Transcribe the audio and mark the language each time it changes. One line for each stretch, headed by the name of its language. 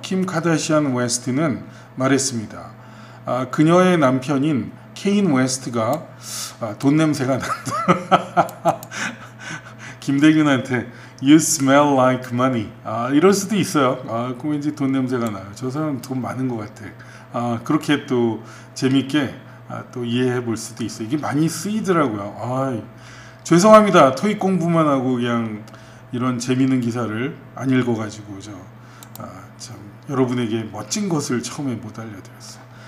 Korean: 김 카다시안 웨스트는 말했습니다. 그녀의 남편인 케인 웨스트가 돈 냄새가 난다.
English: 김대균한테 You smell like money.
Korean: 이럴 수도 있어요. 왠지 돈 냄새가 나요. 저 사람 돈 많은 것 같아. 그렇게 또 재밌게 또 이해해 볼 수도 있어요. 이게 많이 쓰이더라고요. 죄송합니다. 토익 공부만 하고 그냥 이런 재밌는 기사를 안 읽어가지고 저. 참 여러분에게 멋진 것을 처음에 못 알려드렸어요.